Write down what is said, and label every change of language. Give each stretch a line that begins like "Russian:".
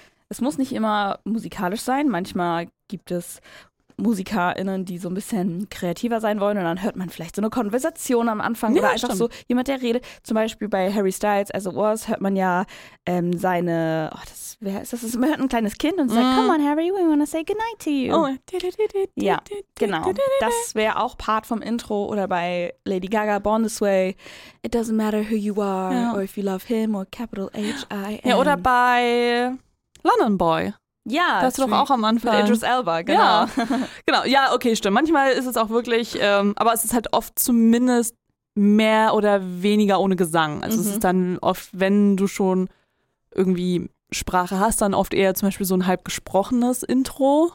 German: Es muss nicht immer musikalisch sein. Manchmal gibt es MusikerInnen, die so ein bisschen kreativer sein wollen und dann hört man vielleicht so eine Konversation am Anfang, ja, oder einfach stimmt. So jemand, der redet. Zum Beispiel bei Harry Styles, also Oz, hört man ja seine, oh, das, wer ist das? Man hört ein kleines Kind und sagt,
English: come on Harry, we wanna say goodnight to you.
German: Ja, genau. Das wäre auch Part vom Intro. Oder bei Lady Gaga,
English: Born This Way, it doesn't matter who you are or if you love him or capital H-I-M.
German: Ja, oder bei London Boy. Ja, das ist doch auch am Anfang. Idris Elba, genau. Ja. Genau, ja, okay, stimmt. Manchmal ist es auch wirklich, aber es ist halt oft zumindest mehr oder weniger ohne Gesang. Also es ist dann oft, wenn du schon irgendwie Sprache hast, dann oft eher zum Beispiel so ein halb gesprochenes Intro.